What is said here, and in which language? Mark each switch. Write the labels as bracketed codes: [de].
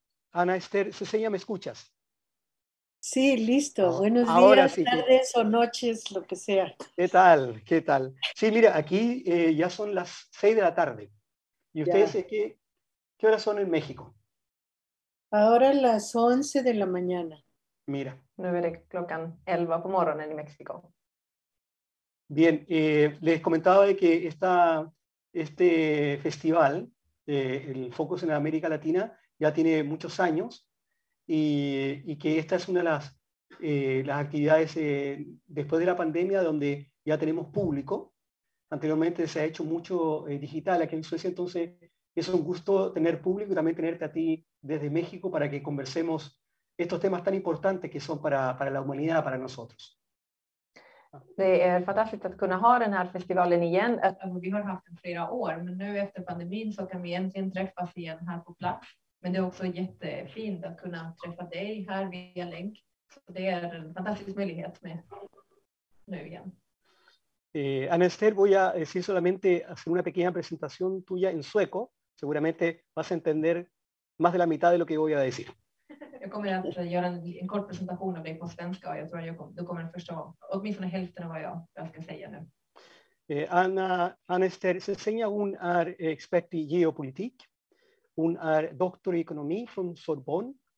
[es] Ana Esther Ceseña, ¿me escuchas? Sí, listo. Ah, buenos ahora días, sí, tardes o noches, lo que sea. ¿Qué tal? Sí, mira, aquí ya son las 6 de la tarde. Y ustedes, ¿qué horas son en México? Ahora las 11 de la mañana. Mira. [sv] 9 de klockan 11 på morgonen i Mexiko. [es] Bien, les comentaba de que este festival, el Focus en América Latina, ya tiene muchos años y que esta es una de las actividades después de la pandemia donde ya tenemos público. Anteriormente se ha hecho mucho digital aquí en Suecia, entonces es un gusto tener público y también tenerte a ti desde México para que conversemos estos temas tan importantes que son para la humanidad, para nosotros. [sv] Det är fantastiskt att kunna ha den här festivalen igen. Vi har haft den flera år, men nu efter pandemin så kan vi äntligen träffas igen här på plats. Men det är också jättefint att kunna träffa dig här via länk. Så det är en fantastisk möjlighet med nu igen. [es] Ana Esther, voy a decir solamente hacer una pequeña presentación tuya en sueco. Seguramente vas a entender más de la mitad de lo que voy a decir. [sv] Jag kommer att göra en kort presentation av dig på svenska. Jag tror att du kommer att förstå åtminstone hälften av vad jag ska säga nu. Ana Esther Ceseña, hon är expert i geopolitik. Hon är doktor i ekonomi från Sorbonne.